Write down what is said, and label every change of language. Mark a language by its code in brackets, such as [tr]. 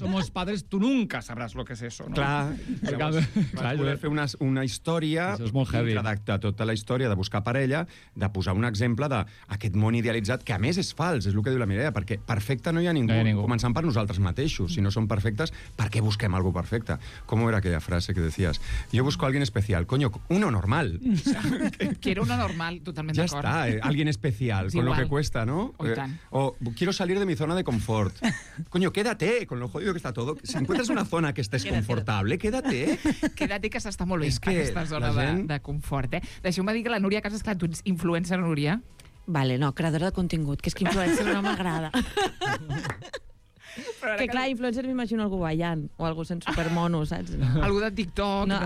[es] Somos padres, tu nunca sabràs lo que és eso, no? [ca] Clar. Llavors, poder fer una història... Això és molt heavy. ...de tota la història, de buscar parella, de posar un exemple d'aquest món idealitzat, que a més és fals, és el que diu la Mireia, perquè perfecte no hi ha ningú. No hi ha ningú. Començant per nosaltres mateixos. Si no som perfectes, per què busquem algú perfecte? [es] ¿Cómo era aquella frase que decías? Yo busco a alguien especial. Coño, uno normal. Quiero uno normal, [ca] totalment d'acord. Ja està, [es] alguien especial, sí, con igual. Lo que cuesta, ¿no? O quiero salir de mi zona de confort. Coño, quédate, con lo jodido que está todo. Si encuentras una zona que estés confortable, quédate. Quédate, [ca] que s'està molt bé, aquesta zona de confort. Deixeu-me dir que la Núria Casas, clar, tu ets influencer, Núria. Vale, no, creadora de contingut, que és que influencer no m'agrada. Que clar, influencer m'imagino algú ballant, o algú sent supermono, saps? Algú de TikTok, no?